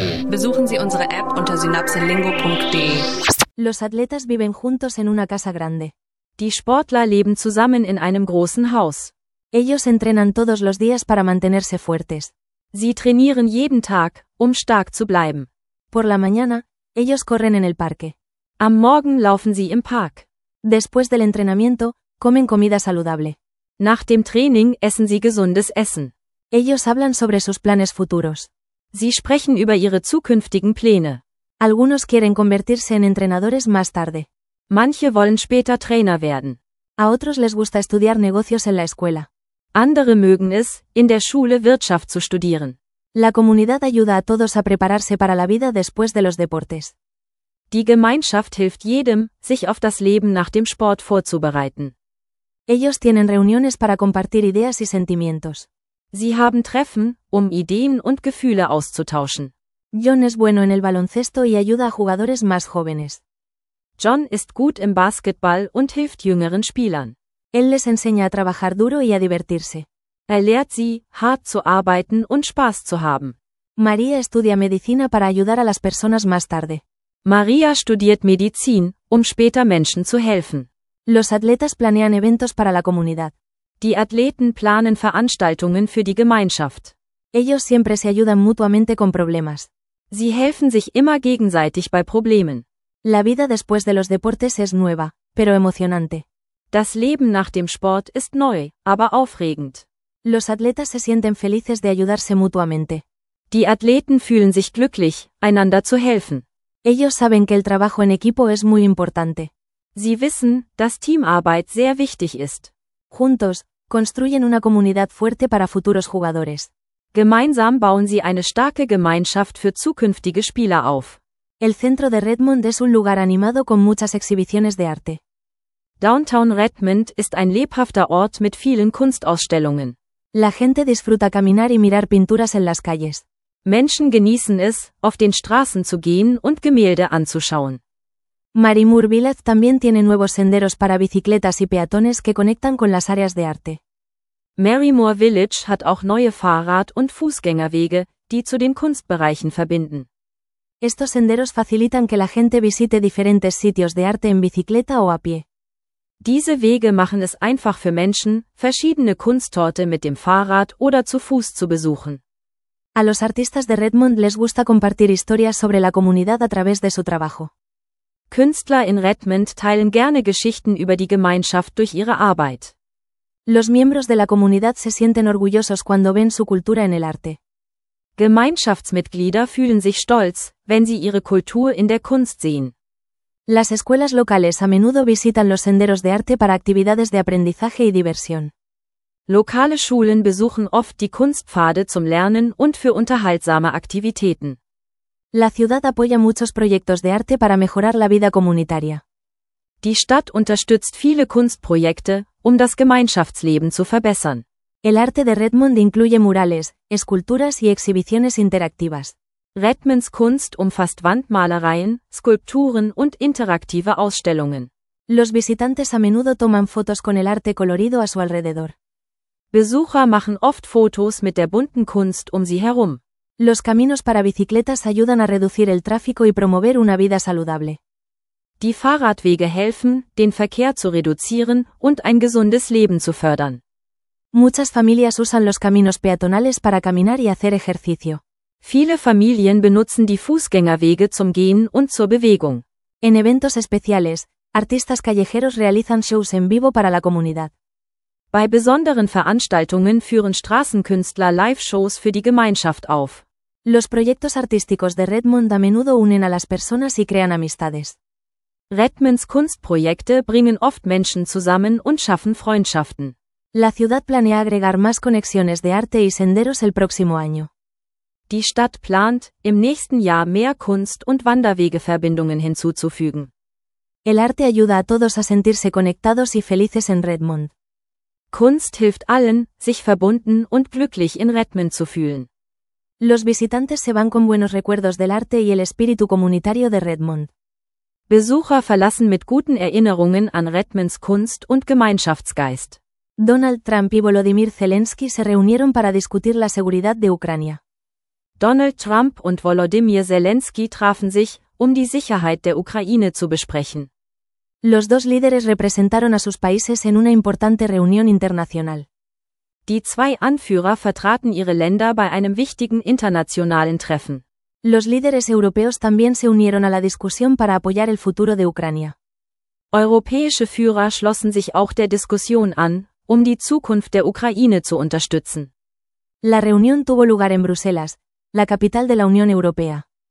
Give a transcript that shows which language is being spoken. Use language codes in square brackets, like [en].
[de] Besuchen Sie unsere App unter synapselingo.de. [es] Los atletas viven juntos en una casa grande. [de] Die Sportler leben zusammen in einem großen Haus. [es] Ellos entrenan todos los días para mantenerse fuertes. [de] Sie trainieren jeden Tag, um stark zu bleiben. [es] Por la mañana, ellos corren en el parque. [de] Am Morgen laufen sie im Park. [es] Después del entrenamiento, comen comida saludable. [de] Nach dem Training essen sie gesundes Essen. [es] Ellos hablan sobre sus planes futuros. [de] Sie sprechen über ihre zukünftigen Pläne. [es] Algunos quieren convertirse en entrenadores más tarde. [de] Manche wollen später Trainer werden. [es] A otros les gusta estudiar negocios en la escuela. [de] Andere mögen es, in der Schule Wirtschaft zu studieren. [es] La comunidad ayuda a todos a prepararse para la vida después de los deportes. [de] Die Gemeinschaft hilft jedem, sich auf das Leben nach dem Sport vorzubereiten. [es] Ellos tienen reuniones para compartir ideas y sentimientos. [de] Sie haben Treffen, um Ideen und Gefühle auszutauschen. [es] John es bueno en el baloncesto y ayuda a jugadores más jóvenes. [de] John ist gut im Basketball und hilft jüngeren Spielern. [es] Él les enseña a trabajar duro y a divertirse. [de] Er lehrt sie, hart zu arbeiten und Spaß zu haben. [es] María estudia medicina para ayudar a las personas más tarde. [de] María studiert Medizin, um später Menschen zu helfen. [es] Los atletas planean eventos para la comunidad. [de] Die Athleten planen Veranstaltungen für die Gemeinschaft. [es] Ellos siempre se ayudan mutuamente con problemas. [de] Sie helfen sich immer gegenseitig bei Problemen. [es] La vida después de los deportes es nueva, pero emocionante. [de] Das Leben nach dem Sport ist neu, aber aufregend. [es] Los atletas se sienten felices de ayudarse mutuamente. [de] Die Athleten fühlen sich glücklich, einander zu helfen. [es] Ellos saben que el trabajo en equipo es muy importante. [de] Sie wissen, dass Teamarbeit sehr wichtig ist. [es] Juntos, construyen una comunidad fuerte para futuros jugadores. [de] Gemeinsam bauen sie eine starke Gemeinschaft für zukünftige Spieler auf. [es] El centro de Redmond es un lugar animado con muchas exhibiciones de arte. [de] Downtown Redmond ist ein lebhafter Ort mit vielen Kunstausstellungen. [es] La gente disfruta caminar y mirar pinturas en las calles. [de] Menschen genießen es, auf den Straßen zu gehen und Gemälde anzuschauen. [es] Marimur Village también tiene nuevos senderos para bicicletas y peatones que conectan con las áreas de arte. [de] Marimur Village hat auch neue Fahrrad- und Fußgängerwege, die zu den Kunstbereichen verbinden. [es] Estos senderos facilitan que la gente visite diferentes sitios de arte en bicicleta o a pie. [de] Diese Wege machen es einfach für Menschen, verschiedene Kunstorte mit dem Fahrrad oder zu Fuß zu besuchen. [es] A los artistas de Redmond les gusta compartir historias sobre la comunidad a través de su trabajo. [de] Künstler in Redmond teilen gerne Geschichten über die Gemeinschaft durch ihre Arbeit. [es] Los miembros de la comunidad se sienten orgullosos cuando ven su cultura en el arte. [de] Gemeinschaftsmitglieder fühlen sich stolz, wenn sie ihre Kultur in der Kunst sehen. [es] Las escuelas locales a menudo visitan los senderos de arte para actividades de aprendizaje y diversión. [de] Lokale Schulen besuchen oft die Kunstpfade zum Lernen und für unterhaltsame Aktivitäten. [es] La ciudad apoya muchos proyectos de arte para mejorar la vida comunitaria. [de] Die Stadt unterstützt viele Kunstprojekte, um das Gemeinschaftsleben zu verbessern. [es] El arte de Redmond incluye murales, esculturas y exhibiciones interactivas. [de] Redmonds Kunst umfasst Wandmalereien, Skulpturen und interaktive Ausstellungen. [es] Los visitantes a menudo toman fotos con el arte colorido a su alrededor. [de] Besucher machen oft Fotos mit der bunten Kunst um sie herum. [es] Los caminos para bicicletas ayudan a reducir el tráfico y promover una vida saludable. [de] Die Fahrradwege helfen, den Verkehr zu reduzieren und ein gesundes Leben zu fördern. [es] Muchas familias usan los caminos peatonales para caminar y hacer ejercicio. [de] Viele Familien benutzen die Fußgängerwege zum Gehen und zur Bewegung. [es] En eventos especiales, artistas callejeros realizan shows en vivo para la comunidad. [de] Bei besonderen Veranstaltungen führen Straßenkünstler Live-Shows für die Gemeinschaft auf. [es] Los proyectos artísticos de Redmond a menudo unen a las personas y crean amistades. [de] Redmonds Kunstprojekte bringen oft Menschen zusammen und schaffen Freundschaften. [es] La ciudad planea agregar más conexiones de arte y senderos el próximo año. [de] Die Stadt plant, im nächsten Jahr mehr Kunst- und Wanderwegeverbindungen hinzuzufügen. [es] El arte ayuda a todos a sentirse conectados y felices en Redmond. [de] Kunst hilft allen, sich verbunden und glücklich in Redmond zu fühlen. [es] Los visitantes se van con buenos recuerdos del arte y el espíritu comunitario de Redmond. [de] Besucher verlassen mit guten Erinnerungen an Redmonds Kunst und Gemeinschaftsgeist. [es] Donald Trump y Volodymyr Zelensky se reunieron para discutir la seguridad de Ucrania. [de] Donald Trump und Volodymyr Zelensky trafen sich, um die Sicherheit der Ukraine zu besprechen. [es] Los dos líderes representaron a sus países en una importante reunión internacional. [de] Die zwei Anführer vertraten ihre Länder bei einem wichtigen internationalen Treffen. [es] Los líderes europeos también se unieron a la discusión para apoyar el futuro de Ucrania. [de] Europäische Führer schlossen sich auch der Diskussion an, um die Zukunft der Ukraine zu unterstützen. [es] La reunión tuvo lugar en Bruselas, la capital de la Unión Europea.